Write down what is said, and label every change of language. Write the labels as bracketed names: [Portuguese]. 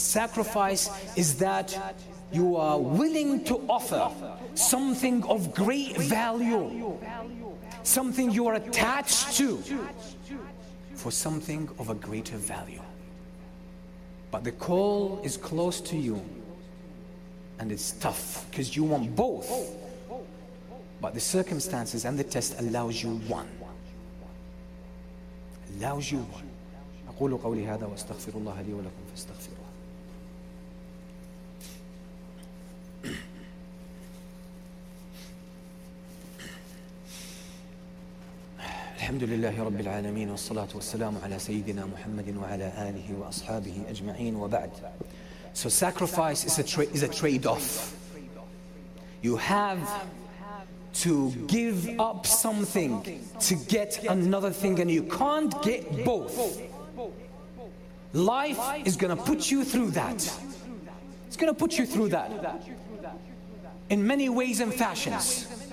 [English] Sacrifice is that you are willing to offer something of great value, something you are attached to, for something of a greater value. But the call is close to you, and it's tough because you want both. But the circumstances and the test allows you one. Allows you one. [Arabic] أقول قولي هذا وأستغفر الله لي ولكم فاستغفروه. الحمد لله رب العالمين والصلاة والسلام على سيدنا محمد وعلى آله وأصحابه أجمعين وبعد. [English] So sacrifice is a trade-off. You have to give up something to get another thing, and you can't get both. Life is going to put you through that. It's going to put you through that in many ways and fashions.